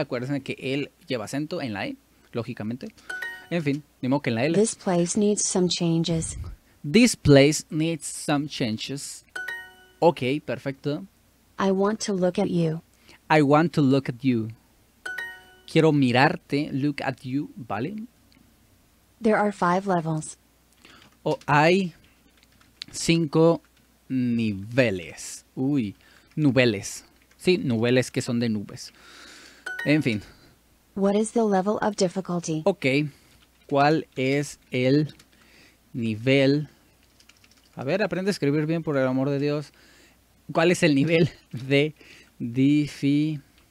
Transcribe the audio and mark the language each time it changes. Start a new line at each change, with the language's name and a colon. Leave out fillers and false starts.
Spanish: Acuérdense que él lleva acento en la E, lógicamente. En fin, ni modo que en la L.
English: This place needs some changes. This place needs some changes.
Spanish: Ok, perfecto.
English: I want to look at you. I want to look at you.
Spanish: Quiero mirarte.
English: Look at you.
Spanish: ¿Vale?
English: There are 5 levels.
Spanish: Hay 5 niveles. Uy, nubeles. Sí, nubeles que son de nubes. En fin.
English: What is the level of difficulty?
Spanish: Ok. ¿Cuál es el nivel A ver, aprende a escribir bien, por el amor de Dios. ¿Cuál es el nivel de dificultad?